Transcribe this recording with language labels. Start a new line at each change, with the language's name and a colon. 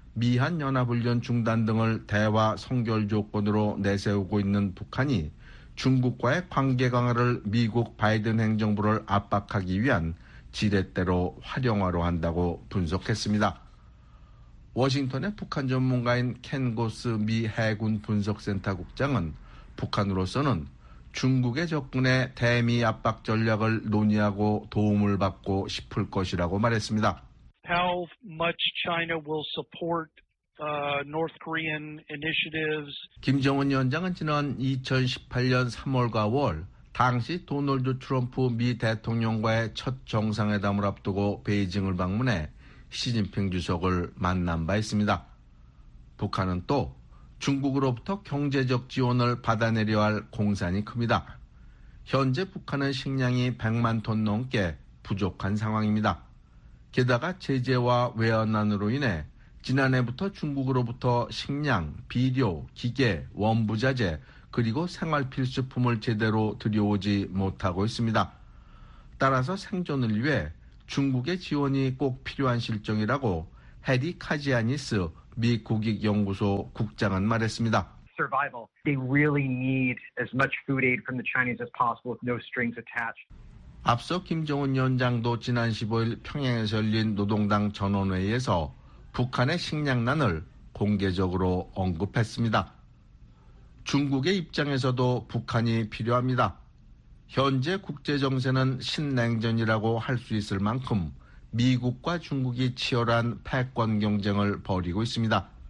Korean: 미한연합훈련 중단 등을 대화 성결 조건으로 내세우고 있는 북한이 중국과의 관계 강화를 미국 바이든 행정부를 압박하기 위한 지렛대로 활용하려 한다고 분석했습니다. 워싱턴의 북한 전문가인 켄 고스 미 해군 분석센터 국장은 북한으로서는 중국의 접근에 대미 압박 전략을 논의하고 도움을 받고 싶을 것이라고 말했습니다.
English: How much China will support North Korean initiatives?
Korean: 김정은 위원장은 지난 2018년 3월과 5월 당시 도널드 트럼프 미 대통령과의 첫 정상회담을 앞두고 베이징을 방문해 시진핑 주석을 만난 바 있습니다. 북한은 또 중국으로부터 경제적 지원을 받아내려 할 공산이 큽니다. 현재 북한은 식량이 100만 톤 넘게 부족한 상황입니다. 게다가 제재와 외환난으로 인해 지난해부터 중국으로부터 식량, 비료, 기계, 원부자재 그리고 생활필수품을 제대로 들여오지 못하고 있습니다. 따라서 생존을 위해 중국의 지원이 꼭 필요한 실정이라고 해리 카지아니스 미 국익연구소 국장은 말했습니다.
English: Survival. They really need as much food aid from the Chinese as possible with no strings attached.
Korean: 앞서 김정은 위원장도 지난 15일 평양에서 열린 노동당 전원회의에서 북한의 식량난을 공개적으로 언급했습니다. 중국의 입장에서도 북한이 필요합니다. 현재 국제정세는 신냉전이라고 할 수 있을 만큼 미국과 중국이 치열한 패권 경쟁을 벌이고 있습니다.